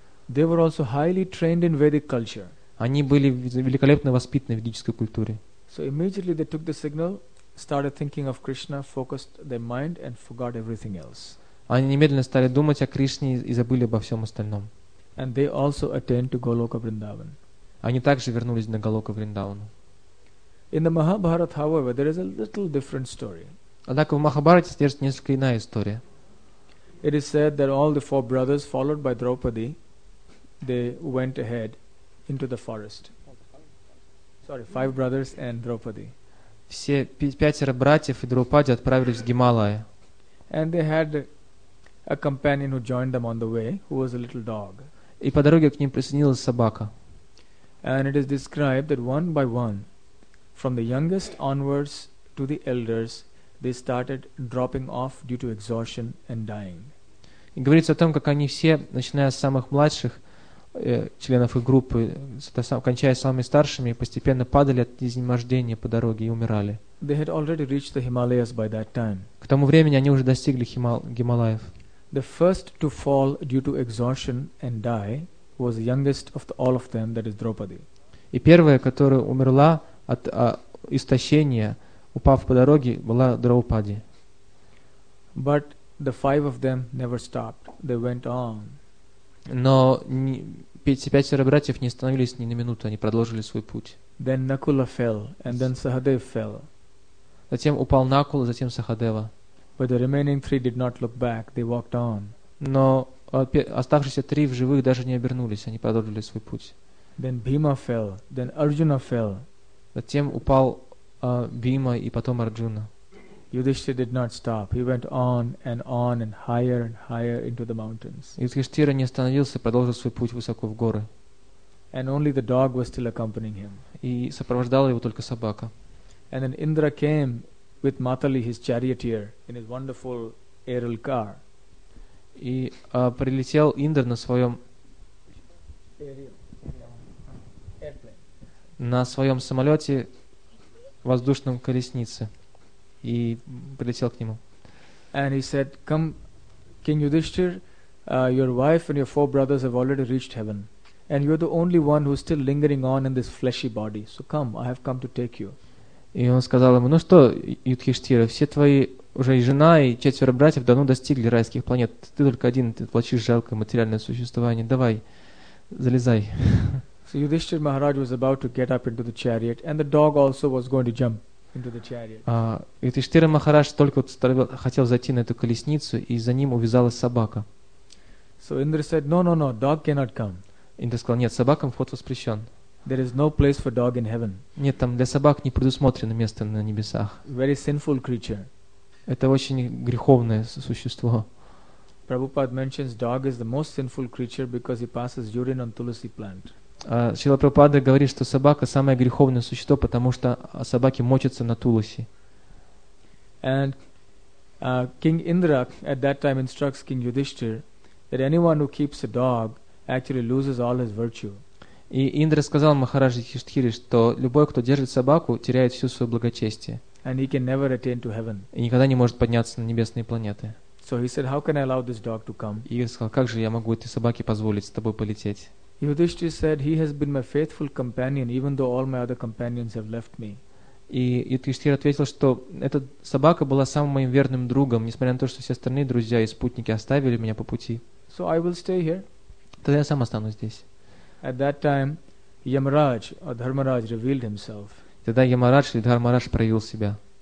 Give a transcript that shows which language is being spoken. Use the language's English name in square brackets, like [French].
[English] They were also highly trained in Vedic culture. [Russian] Они были великолепно воспитаны в ведической культуре. [English] So immediately they took the signal, started thinking of Krishna, focused their mind and forgot everything else. [Russian] Они немедленно стали думать о Кришне и забыли обо всем остальном. [English] And they also attained to Goloka Vrindavan. [Russian] Они также вернулись на Голоку Вриндавану. [English] In the Mahabharata, however, there is a little different story. [Russian] Однако в Махабхарате содержится несколько иная история. [English] It is said that all the four brothers, followed by Draupadi, they went ahead into the forest. Sorry, five brothers and Draupadi. [Russian] Все пятеро братьев и Драупади отправились в Гималаи. [English] And they had a companion who joined them on the way, who was a little dog. [Russian] И по дороге к ним присоединилась собака. [English] And it is described that one by one, from the youngest onwards to the elders, they started dropping off due to exhaustion and dying. [Russian] И говорится о том, как они все, начиная с самых младших членов их группы, кончая самыми старшими, постепенно падали от изнеможения по дороге и умирали. [English] They had already reached the Himalayas by that time. [Russian] К тому времени они уже достигли Гималаев. [English] The first to fall due to exhaustion and die was the youngest of all of them, that is Draupadi. [Russian] И первая, которая умерла от истощения, упав по дороге, была Драупади. [English] But the five of them never stopped. They went on. [Russian] Но пятеро братьев не остановились ни на минуту, они продолжили свой путь. [English] Then Nakula fell, and then Sahadev fell. [Russian] Затем упал Накула, затем Сахадева. [English] But the remaining three did not look back. They walked on. [Russian] Но оставшиеся три в живых даже не обернулись, они продолжили свой путь. [English] Then Bhima fell, then Arjuna fell. [Russian] Затем упал Бхима и потом Арджуна. [English] Yudhishthira did not stop. He went on and higher into the mountains. [Russian] Юдхиштхира не остановился, продолжил свой путь высоко в горы. [English] And only the dog was still accompanying him. [Russian] И сопровождала его только собака. [English] And then Indra came with Matali, his charioteer, in his wonderful aerial car. [Russian] И прилетел Индр на своем самолете воздушном колеснице и прилетел к нему. [English] And he said, "Come, King Yudhishthir, your wife and your four brothers have already reached heaven, and you are the only one who is still lingering on in this fleshy body. So come, I have come to take you." [Russian] И он сказал ему: "Ну что, Юдхиштхира, все твои уже и жена, и четверо братьев давно достигли райских планет. Ты только один, ты плачешь жалкое материальное существование. Давай, залезай." [English] So Yudhishthira Maharaj was about to get up into the chariot, and the dog also was going to jump into the chariot. [Russian] Yudhishthira Maharaj только вот хотел зайти на эту колесницу, и за ним увязалась собака. [English] So Indra said, no, dog cannot come. [Russian] Индра сказал: "Нет, собакам вход воспрещен." [English] There is no place for dog in heaven. [Russian] Нет, там для собак не предусмотрено место на небесах. [English] Very sinful creature. [Russian] Это очень греховное существо. [English] Prabhupada mentions dog is the most sinful creature because he passes urine on tulsi plant. [Russian] Шрила Прабхупада говорит, что собака самое греховное существо, потому что собаки мочатся на тулси. [English] And King Indra at that time instructs King Yudhishthir that anyone who keeps a dog actually loses all his virtue. [Russian] И Индра сказал Махараджи Хиштхире, что любой, кто держит собаку, теряет всю свою благочестие. [English] And he can never attain to heaven. [Russian] И никогда не может подняться на небесные планеты. [English] So he said, "How can I allow this dog to come?" [Russian] И он сказал: "Как же я могу этой собаке позволить с тобой полететь?" [English] Yudhishthira said, "He has been my faithful companion, even though all my other companions have left me." [Russian] И Юдхиштхира ответил, что эта собака была самым моим верным другом, несмотря на то, что все остальные друзья и спутники оставили меня по пути. [English] So I will stay here. [Russian] Тогда я сам останусь здесь. [English] At that time, Yamaraj or Dharmaraj revealed himself. [Russian] Тогда Ямарадж или Дхармарадж проявил себя.